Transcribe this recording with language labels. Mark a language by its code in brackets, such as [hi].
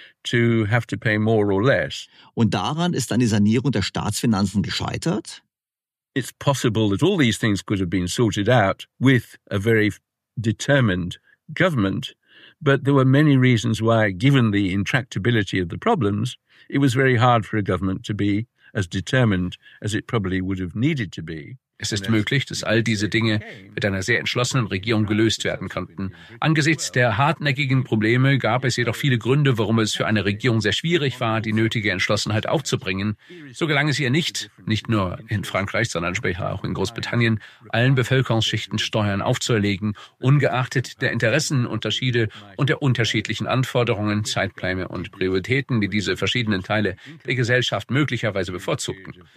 [de] Und daran ist dann die Sanierung der Staatsfinanzen gescheitert? [en] It's possible that all these things could have been sorted out with a very determined government. But there were many reasons why, given the intractability of the problems, it was very hard for a government to be as determined as it probably would have needed to be. [de] Es ist möglich, dass all diese Dinge mit einer sehr entschlossenen Regierung gelöst werden konnten. Angesichts der hartnäckigen Probleme gab es jedoch viele Gründe, warum es für eine Regierung sehr schwierig war, die nötige Entschlossenheit aufzubringen. So gelang es ihr nicht, nicht nur in Frankreich, sondern später auch in Großbritannien, allen Bevölkerungsschichten Steuern aufzuerlegen, ungeachtet der Interessenunterschiede und der unterschiedlichen Anforderungen, Zeitpläne und Prioritäten, die diese verschiedenen Teile der Gesellschaft möglicherweise bevorzugten.